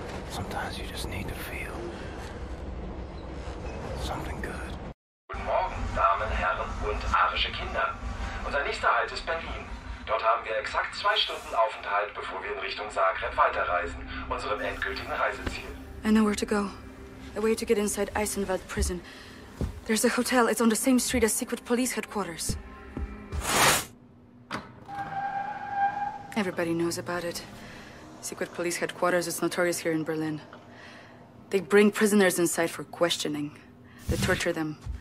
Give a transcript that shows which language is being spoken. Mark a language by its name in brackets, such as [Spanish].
[English] Sometimes you just need to feel something good. [German] Guten Morgen, Damen, Herren und arische Kinder. Unser nächster Halt ist Berlin. Dort haben wir exakt 2 Stunden Aufenthalt, bevor wir in Richtung Zagreb weiterreisen, unserem endgültigen Reiseziel. [English] I know where to go. A way to get inside Eisenwald Prison. There's a hotel. It's on the same street as secret police headquarters. Everybody knows about it. Secret police headquarters is notorious here in Berlin. They bring prisoners inside for questioning. They torture them.